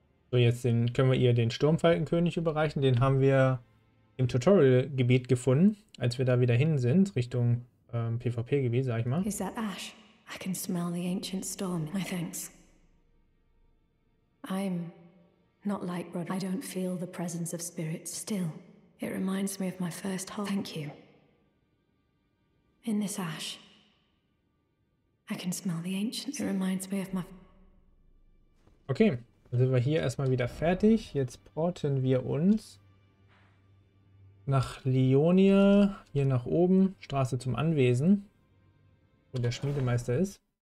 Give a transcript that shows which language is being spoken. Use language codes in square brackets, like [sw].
[de] So, jetzt können wir ihr den Sturmfalkenkönig überreichen. Den haben wir im Tutorial-Gebiet gefunden, als wir da wieder hin sind, Richtung PvP-Gebiet, sag ich mal. [en] Is that Ash? I can smell the ancient storm, my thanks. I'm not like Roderick. I don't feel the presence of spirits. Still, it reminds me of my first home. Thank you. In this ash, I can smell the ancient. It reminds me of my... [de] Okay, dann sind wir hier erstmal wieder fertig. Jetzt porten wir uns nach Leonia, hier nach oben, Straße zum Anwesen, wo der Schmiedemeister ist.